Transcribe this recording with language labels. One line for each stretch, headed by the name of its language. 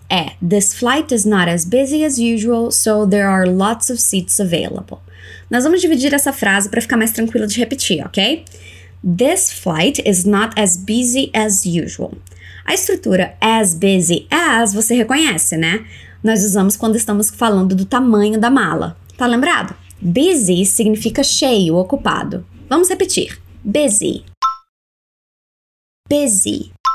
English: É, this flight is not as busy as usual, so there are lots of seats available.
Portuguese: Nós vamos dividir essa frase para ficar mais tranquilo de repetir, ok?
English: This flight is not as busy as usual.
Portuguese: A estrutura
English: as busy as
Portuguese: você reconhece, né? Nós usamos quando estamos falando do tamanho da mala. Tá lembrado? Busy significa cheio, ocupado. Vamos repetir. Busy. Busy.